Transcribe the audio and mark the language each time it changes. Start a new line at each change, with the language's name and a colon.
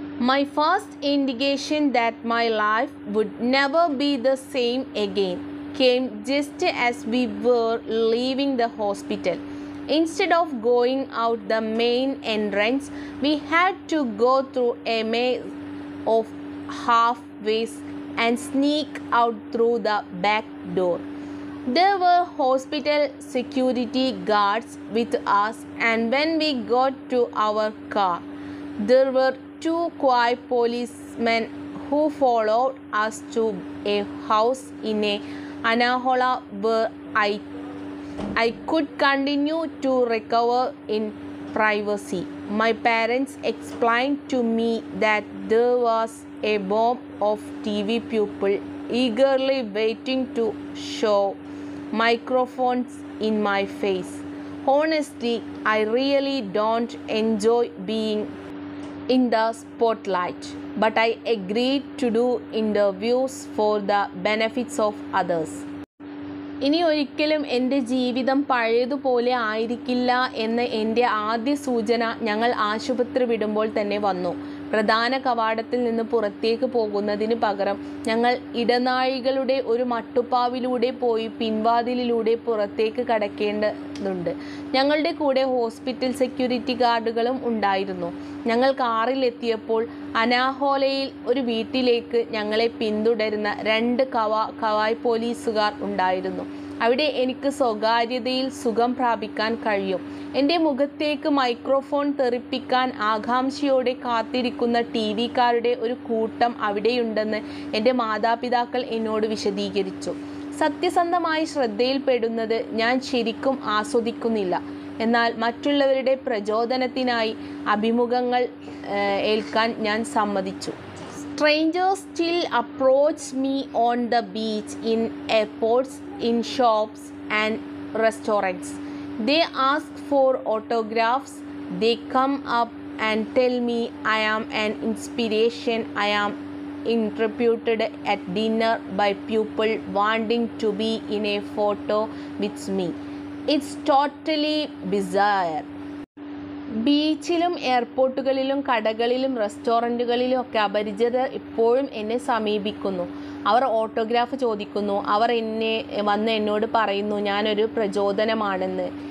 English: My first indication that my life would never be the same again came just as we were leaving the hospital. Instead of going out the main entrance, we had to go through A maze of half vase and sneak out through the back door. There were hospital security guards with us, and when we got to our car, there were 2 quiet policemen who followed us to a house in a Anahola where I could continue to recover in privacy. My parents explained to me that there was a mob of TV people eagerly waiting to show microphones in my face. Honestly, I really don't enjoy being in the spotlight, but I agreed to do interviews for the benefits of others.
Malayalam: ഇനി ഒരിക്കലും എൻ്റെ ജീവിതം പഴയതുപോലെ ആയിരിക്കില്ല എന്ന് എൻ്റെ ആദ്യ സൂചന ഞങ്ങൾ ആശുപത്രി വിടുമ്പോൾ തന്നെ വന്നു. പ്രധാന കവാടത്തിൽ നിന്ന് പുറത്തേക്ക് പോകുന്നതിന് പകരം ഞങ്ങൾ ഇടനാഴികളുടെ ഒരു മട്ടുപ്പാവിലൂടെ പോയി പിൻവാതിലിലൂടെ പുറത്തേക്ക് കടക്കേണ്ടതുണ്ട്. ഞങ്ങളുടെ കൂടെ ഹോസ്പിറ്റൽ സെക്യൂരിറ്റി ഗാർഡുകളും ഉണ്ടായിരുന്നു. ഞങ്ങൾ കാറിലെത്തിയപ്പോൾ അനാഹോലയിൽ ഒരു വീട്ടിലേക്ക് ഞങ്ങളെ പിന്തുടരുന്ന 2 കവായ് പോലീസുകാർ ഉണ്ടായിരുന്നു. അവിടെ എനിക്ക് സ്വകാര്യതയിൽ സുഖം പ്രാപിക്കാൻ കഴിയും. എൻ്റെ മുഖത്തേക്ക് മൈക്രോഫോൺ തെറിപ്പിക്കാൻ ആകാംക്ഷയോടെ കാത്തിരിക്കുന്ന TV-ക്കാരുടെ ഒരു കൂട്ടം അവിടെയുണ്ടെന്ന് എൻ്റെ മാതാപിതാക്കൾ എന്നോട് വിശദീകരിച്ചു. സത്യസന്ധമായി ശ്രദ്ധയിൽപ്പെടുന്നത് ഞാൻ ശരിക്കും ആസ്വദിക്കുന്നില്ല. എന്നാൽ മറ്റുള്ളവരുടെ പ്രചോദനത്തിനായി അഭിമുഖങ്ങൾ ഏൽക്കാൻ ഞാൻ സമ്മതിച്ചു.
English: Strangers still approach me on the beach, in airports, in shops and restaurants. They ask for autographs. They come up and tell me I am an inspiration. I am interviewed at dinner by people wanting to be in a photo with me. It's totally bizarre.
Malayalam: ബീച്ചിലും എയർപോർട്ടുകളിലും കടകളിലും റെസ്റ്റോറൻറ്റുകളിലും ഒക്കെ അപരിചിതർ ഇപ്പോഴും എന്നെ സമീപിക്കുന്നു. അവർ autograph ചോദിക്കുന്നു. അവർ എന്നെ വന്ന് എന്നോട് പറയുന്നു ഞാനൊരു പ്രചോദനമാണെന്ന്.